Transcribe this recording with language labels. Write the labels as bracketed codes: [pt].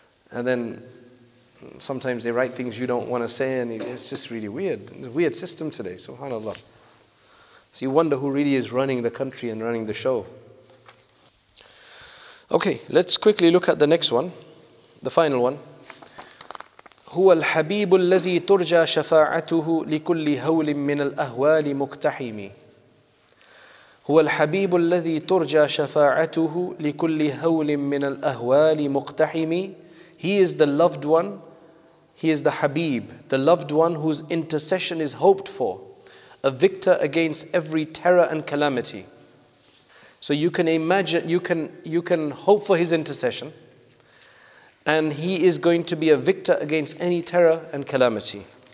[en] And then sometimes they write things you don't want to say, and it's just really weird. It's a weird system today, subhanAllah. So you wonder who really is running the country and running the show. Okay, let's quickly look at the next one, the final one. [ar] هو الحبيب الذي ترجى شفاعته لكل هول من الأهوال مقتحم. هو الحبيب الذي ترجى شفاعته لكل هول من الأهوال مقتحم. [en] He is the loved one. He is the Habib, the loved one whose intercession is hoped for, a victor against every terror and calamity. So you can imagine, you can hope for his intercession, and he is going to be a victor against any terror and calamity.